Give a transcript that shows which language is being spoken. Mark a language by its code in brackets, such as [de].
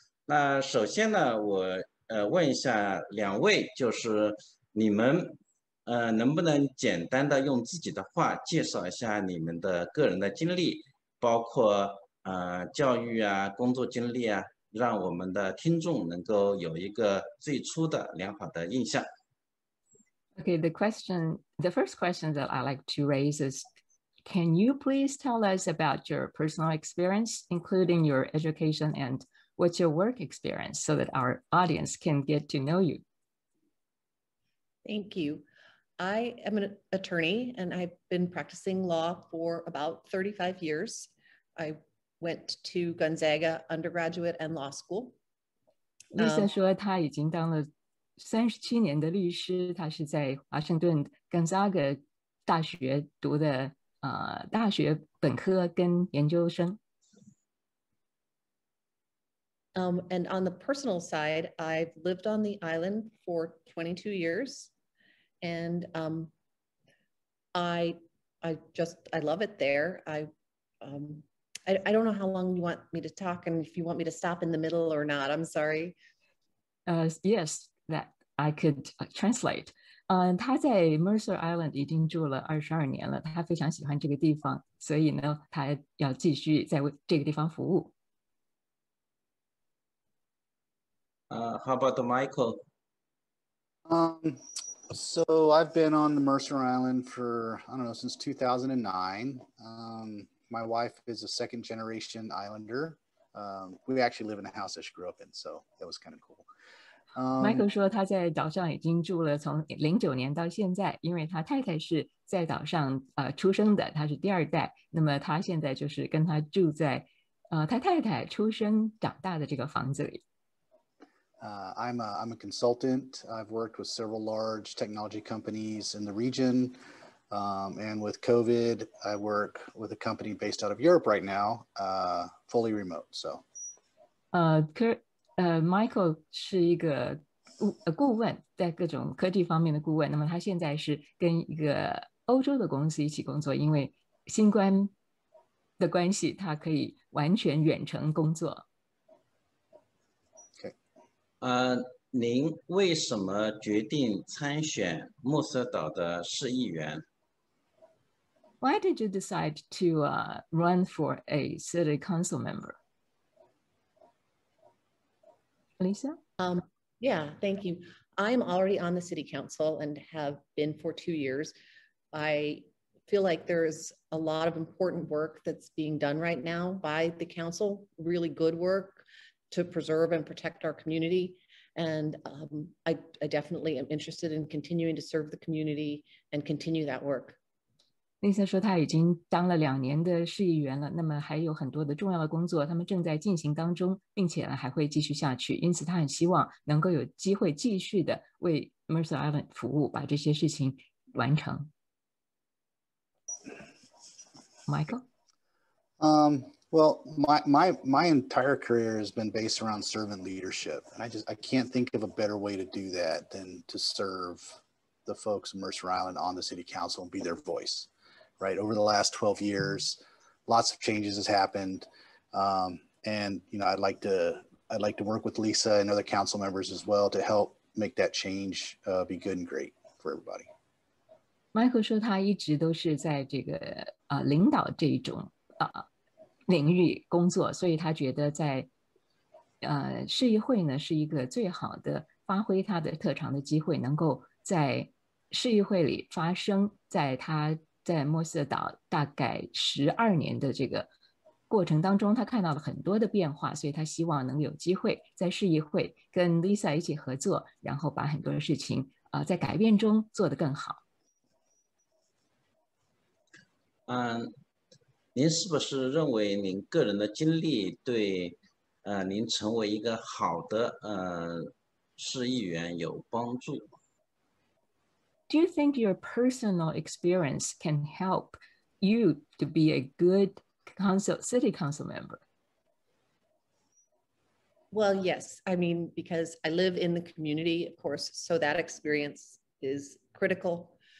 [zh] 那首先呢，我问一下两位，就是你们能不能简单的用自己的话介绍一下你们的个人的经历，包括教育啊工作经历啊，让我们的听众能够有一个最初的良好的印象。 [en] Okay, the first question that I like to raise is, can you please tell us about your personal experience, including your education andWhat's your work experience so that our audience can get to know you? Thank you. I am an attorney and I've been practicing law for about 35 years. I went to Gonzaga undergraduate and law school. [zh] Lisa 说他已经当了37年的律师，他是在华盛顿 Gonzaga 大学读的大学本科跟研究生。 [en] And on the personal side, I've lived on the island for 22 years, and I love it there. I don't know how long you want me to talk, and if you want me to stop in the middle or not, I'm sorry. Yes, that I could translate. [zh] 他在 Mercer Island 已经住了22年了，他非常喜欢这个地方，所以呢，他要继续在这个地方服务。 [en] How about the Michael? So I've been on the Mercer Island for, I don't know, since 2009. My wife is a second generation Islander. We actually live in a house that she grew up in, so that was kind of cool. [zh] Michael 说他在岛上已经住了从2009年到现在，因为他太太是在岛上出生的，他是第二代，那么他现在就是跟他住在他太太出生长大的这个房子里。 [en] I'm a consultant. I've worked with several large technology companies in the region. And with COVID, I work with a company based out of Europe right now, fully remote. So, [zh] Michael 是一个顾问，在各种科技方面的顾问。那么他现在是跟一个欧洲的公司一起工作，因为新冠的关系，他可以完全远程工作。您为什么决定参选穆瑟岛的市议员？ [en] Why did you decide to run for a city council member? Lisa? Yeah, thank you. I'm already on the city council and have been for 2 years. I feel like there's a lot of important work that's being done right now by the council, really good work to preserve and protect our community. And I definitely am interested in continuing to serve the community and continue that work. [zh] 内森说他已经当了两年的市议员了，那么还有很多的重要的工作他们正在进行当中，并且还会继续下去，因此他很希望能够有机会继续的为 Mercer Island 服务，把这些事情完成。 [en] Michael? Well, my entire career has been based around servant leadership, and I can't think of a better way to do that than to serve the folks of Mercer Island on the city council and be their voice, right? Over the last 12 years, lots of changes has happened, and you know, I'd like to work with Lisa and other council members as well to help make that change be good and great for everybody. [zh] Michael 说他一直都是在这个领导这一种领域工作，所以他觉得在市议会呢是一个最好的发挥他的特长的机会，能够在市议会里发声，在他在墨色岛大概12年的这个过程当中，他看到了很多的变化，所以他希望能有机会在市议会跟 Lisa 一起合作，然后把很多的事情在改变中做得更好。您是不是认为您个人的经历对您成为一个好的市议员有帮助？ [en] Do you think your personal experience can help you to be a good city council member? Well, yes. I mean, because I live in the community, of course, so that experience is critical.